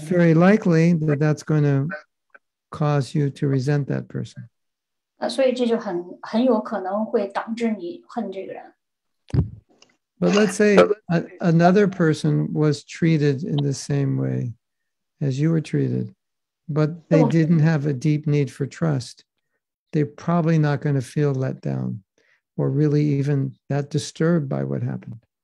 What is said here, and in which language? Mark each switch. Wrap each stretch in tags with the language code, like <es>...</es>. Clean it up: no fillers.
<en>very likely that that's going to cause you to resent that person.</en> <zh>所以这就很有可能会导致你恨这个人。</zh> <en>But let's say another person was treated in the same way as you were treated. But they didn't have a deep need for trust, they're probably not going to feel let down or really even that disturbed by what happened.</en>